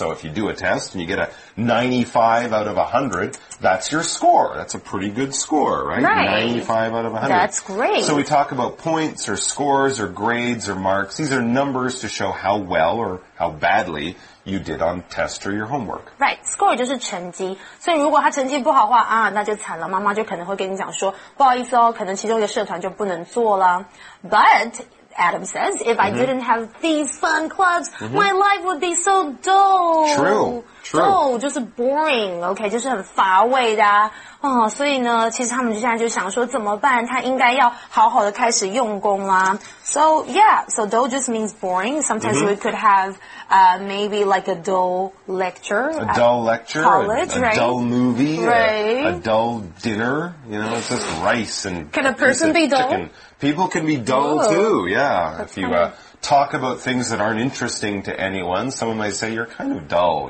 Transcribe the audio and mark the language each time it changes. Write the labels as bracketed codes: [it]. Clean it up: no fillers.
[en] So if you do a test and you get a 95 out of 100, that's your score. That's a pretty good score, right? Right. 95 out of 100. That's great. So we talk about points or scores or grades or marks. These are numbers to show how well or how badly you did on test or your homework. [zh] Right. Score 就是成绩。所以如果他成绩不好的话啊那就惨了。妈妈就可能会跟你讲说不好意思哦可能其中一个社团就不能做了。 [en] But... Adam says, if I didn't have these fun clubs, my life would be so dull. True. [zh] Dull, 就是 boring, okay, 就是很乏味的啊。哦、所以呢其实他们就现在就想说怎么办他应该要好好的开始用功啦。 [en] So, yeah, so dull just means boring. Sometimes we could have, maybe like a dull lecture. A dull lecture. College, a dull movie. Right. A dull dinner. You know, it's just rice and chicken. Can a person be dull? People can be dull too, yeah. If you, talk about things that aren't interesting to anyone, someone might say you're kind of dull.